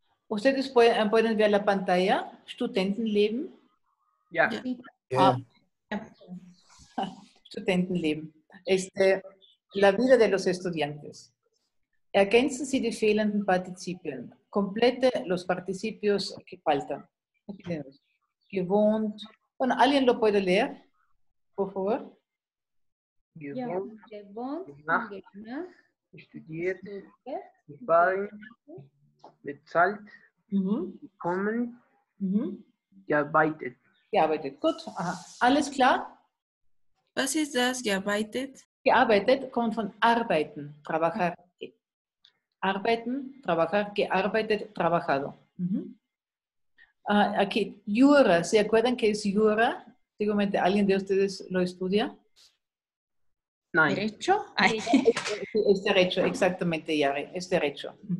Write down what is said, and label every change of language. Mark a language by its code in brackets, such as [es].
[es] ¿Ustedes pueden ver la pantalla? [de] Studentenleben. [es] Ya. Yeah. [de] Studentenleben. [es] La vida de los estudiantes. [de] Ergänzen Sie die fehlenden Partizipien. [es] Complete los participios que faltan. Gewohnt. Bueno, ¿alguien lo puede leer? Por favor. [de] Gewohnt. Estudiert. Gefallen. Bezahlt. Gekommen. Gearbeitet. Gearbeitet. Gut. Aha. Alles klar? Was ist das? Gearbeitet? Gearbeitet kommt von arbeiten, trabajar. [es] Arbeiten, trabajar, gearbeitet, trabajado. Aquí, jura, ¿se acuerdan qué es jura? Dígame, ¿alguien de ustedes lo estudia? No. ¿Derecho? Es derecho, exactamente, Yare, es derecho.